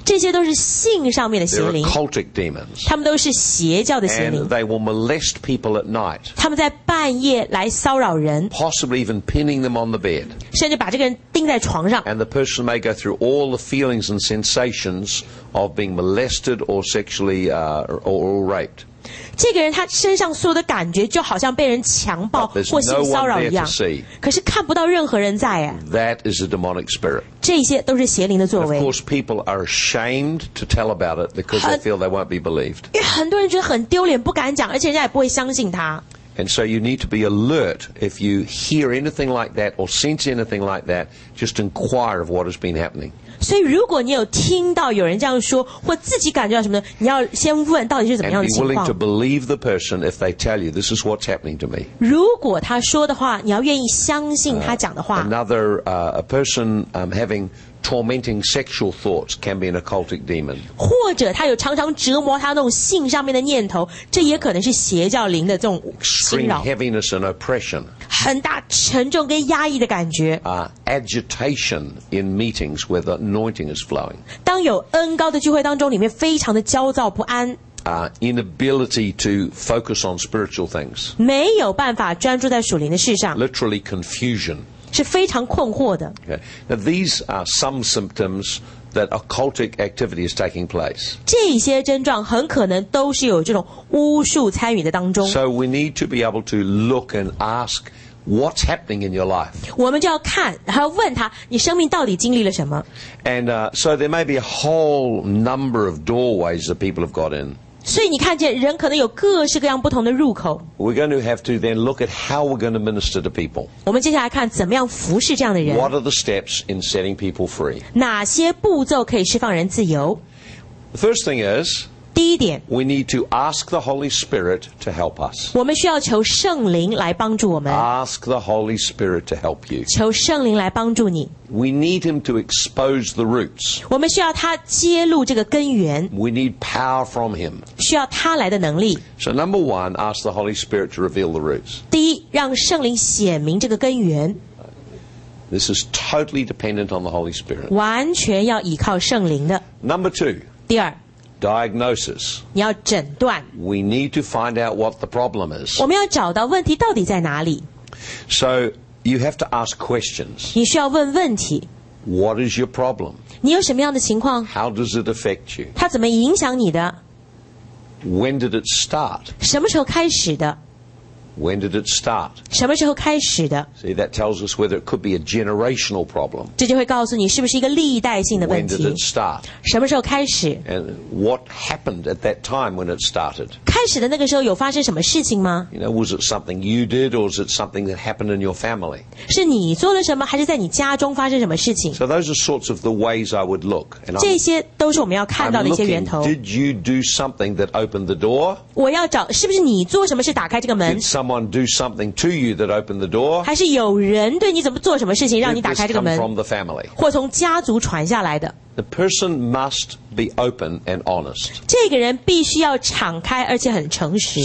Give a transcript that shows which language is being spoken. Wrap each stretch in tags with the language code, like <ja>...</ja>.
<zh>这些都是性上面的邪灵。</zh> <en>They're occultic demons.</en> <zh>他们都是邪教的邪灵。</zh> <en>And they will molest people at night.</en> <zh>他们在半夜来骚扰人。</zh> <en>Possibly even pinning them on the bed.</en> <zh>甚至把这个人钉在床上。</zh> <en>And the person may go through all the feelings and sensations of being molested or sexually or raped.</en> <zh>这个人他身上所有的感觉就好像被人强暴或性骚扰一样，可是看不到任何人在。</zh> <en>That is a demonic spirit.</en> <zh>这些都是邪灵的作为。</zh> <en>Of course, people are ashamed to tell about it because they feel they won't be believed.</en> <zh>因为很多人觉得很丢脸，不敢讲，而且人家也不会相信他。</zh> <en>And so you need to be alert if you hear anything like that or sense anything like that. Just inquire of what has been happening.</en> <zh>所以如果你有听到有人这样说或自己感觉到什么的，你要先问到底是怎么样的情况。</zh> <en>And be willing to believe the person if they tell you this is what's happening to me.</en> <zh>如果他说的话，你要愿意相信他讲的话。</zh> <en>Another a person having tormenting sexual thoughts can be an occultic demon.</en> <zh>或者他有常常折磨他那种性上面的念头，这也可能是邪教灵的这种侵扰。</zh> <en>Extreme heaviness and oppression.</en> <zh>很大沉重跟压抑的感觉。</zh> <en>Agitation in meetings where the anointing is flowing.</en> <zh>当有恩膏的聚会当中，里面非常的焦躁不安。</zh> <en>Inability to focus on spiritual things.</en> <zh>没有办法专注在属灵的事上。</zh> <en>Literally confusion.</en> <zh>是非常困惑的。</zh> <en>Okay. Now, these are some symptoms that occultic activity is taking place.</en> <zh>这些症状很可能都是有这种巫术参与的当中。</zh> <en>So we need to be able to look and ask what's happening in your life.</en> <zh>我们就要看，然后问他，你生命到底经历了什么。</zh> <en>And so there may be a whole number of doorways that people have got in.</en> <zh>所以你看见人可能有各式各样不同的入口。</zh> <en>We're going to have to then look at how we're going to minister to people.</en> <zh>我们接下来看怎么样服侍这样的人。</zh> <en>What are the steps in setting people free?</en> <zh>哪些步骤可以释放人自由？</zh> <en>The first thing is,</en> <zh>第一点，</zh> <en>we need to ask the Holy Spirit to help us.</en> <zh>我们需要求圣灵来帮助我们。</zh> <en>Ask the Holy Spirit to help you.</en> <zh>求圣灵来帮助你。</zh> <en>We need him to expose the roots.</en> <zh>我们需要他揭露这个根源。</zh> <en>We need power from him.</en> <zh>需要他来的能力。</zh> <en>So number one, ask the Holy Spirit to reveal the roots.</en> <zh>第一，让圣灵显明这个根源。</zh> <en>This is totally dependent on the Holy Spirit.</en> <zh>完全要依靠圣灵的。</zh> <en>Number two.</en> <zh>第二。</zh> <en>Diagnosis.</en> <zh>你要诊断。</zh> <en>We need to find out what the problem is.</en> <zh>我们要找到问题到底在哪里。</zh> <en>So,You have to ask questions.</en> <zh>你需要问问题。</zh> <en>What is your problem?</en> <zh>你有什么样的情况？</zh> <en>How does it affect you?</en> <zh>它怎么影响你的？</zh> <en>When did it start?</en> <zh>什么时候开始的？</zh> <en>When did it start?</en> <zh>什么时候开始的？</zh> <en>See, that tells us whether it could be a generational problem.</en> <zh>这就会告诉你是不是一个历代性的问题。</zh> <en>When did it start?</en> <zh>什么时候开始？</zh> <en>And what happened at that time when it started?</en> <zh>开始的那个时候有发生什么事情吗？</zh> <en>You know, was it something you did or was it something that happened in your family?</en> <zh>是你做了什么还是在你家中发生什么事情？</zh> <en>So those are sorts of the ways I would look.</en> <zh>这些都是我们要看到的一些源头。</zh> <en>Did you do something that opened the door?</en> <zh>我要找是不是你做什么事打开这个门？</zh> <en>Someone do something to you that opened the door?</en> <zh>还是有人对你怎么做什么事情让你打开这个门？或从家族传下来的。</zh> <en>The person must be open and honest.</en> <zh>这个人必须要敞开而且很诚实。</zh>